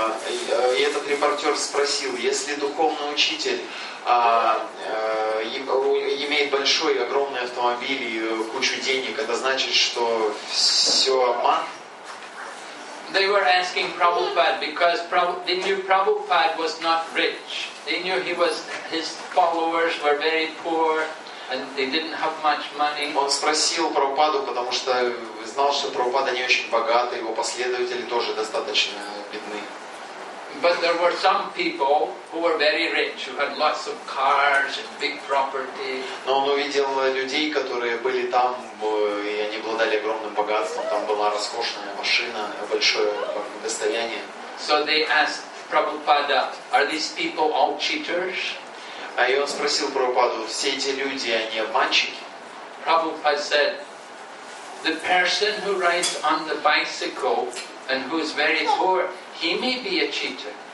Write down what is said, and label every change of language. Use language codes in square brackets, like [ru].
[ru] И этот репортер спросил, если духовный учитель имеет большой и огромный автомобиль и кучу денег, это значит, что все обман? [en] They were asking Prabhupada because they knew Prabhupada was not rich. They knew his followers were very poor. And they didn't have much money. [ru] Он спросил Прабхупаду, потому что знал, что Прабхупада не очень богат, и его последователи тоже достаточно бедны. [en] But there were some people who were very rich, who had lots of cars and big property. [ru] Но он увидел людей, которые были там, и они обладали огромным богатством. Там была роскошная машина, большое достояние. [en] So they asked Prabhupada, "Are these people all cheaters?" [ru] А он спросил Прабхупаду, все эти люди, они обманщики? [en] Prabhupada said, the person who rides on the bicycle and who is very poor, he may be a cheater.